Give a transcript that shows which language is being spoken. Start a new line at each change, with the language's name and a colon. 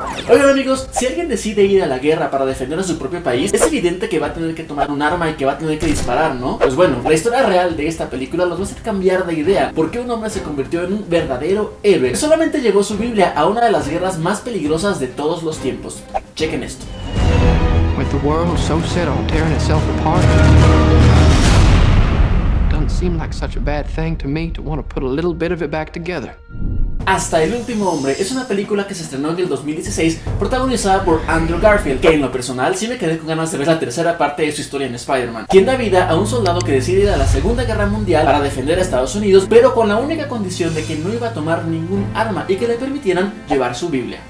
Spanish: Oigan amigos, si alguien decide ir a la guerra para defender a su propio país, es evidente que va a tener que tomar un arma y que va a tener que disparar, ¿no? Pues bueno, la historia real de esta película los va a hacer cambiar de idea. ¿Por qué un hombre se convirtió en un verdadero héroe? Solamente llevó su Biblia a una de las guerras más peligrosas de todos los tiempos. Chequen esto.
English: With the world so set on tearing itself apart, doesn't seem like such a bad thing to me to want to put a little bit of it back together.
Spanish: Hasta el último hombre es una película que se estrenó en el 2016, protagonizada por Andrew Garfield, que en lo personal sí me quedé con ganas de ver la tercera parte de su historia en Spider-Man, quien da vida a un soldado que decide ir a la Segunda Guerra Mundial para defender a Estados Unidos, pero con la única condición de que no iba a tomar ningún arma y que le permitieran llevar su Biblia.